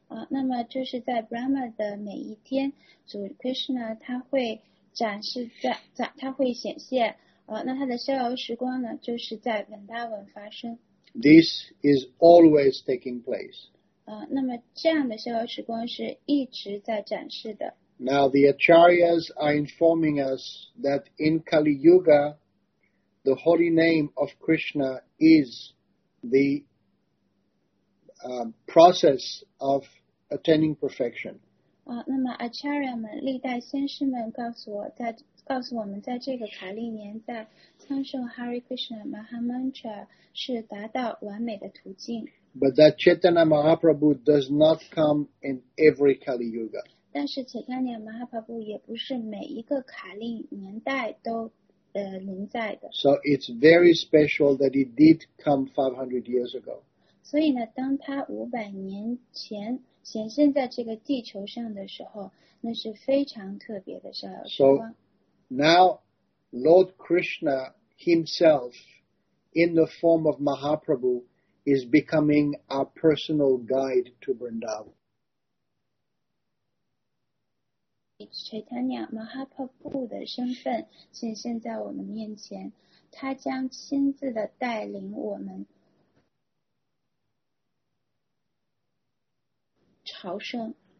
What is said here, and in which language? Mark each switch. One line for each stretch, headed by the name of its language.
Chinese: 那么就是在 Brahma 的每一天，主 Krishna 他会展示在他会显现。那他的逍遥时光呢，就是在 Vrindavan 发生。
English: This is always taking place.
Chinese: 那么这样的逍遥时光是一直在展示的。
English: Now the Acharyas are informing us that in Kali Yuga, the holy name of Krishna is the process of attaining perfection.
Chinese: 那么 Acharya 们历代先师们告诉我在告诉我们在这个卡利年在唱诵 Hare Krishna Mahamantra 是达到完美的途径。
English: But that Chaitanya Mahaprabhu does not come in every Kali Yuga.
Chinese: 但是 Chaitanya Mahaprabhu 也不是每一个卡利年代都临在的。
English: So it's very special that he did come 500 years ago.
Chinese: 所以呢当他500年前显现在这个地球上的时候那是非常特别的事。
English: So now Lord Krishna himself in the form of Mahaprabhu is becoming our personal guide to Vrindavan.
Chinese: Chaitanya Mahaprabhu 的身份显现在我们面前，他将亲自的带领我们朝圣。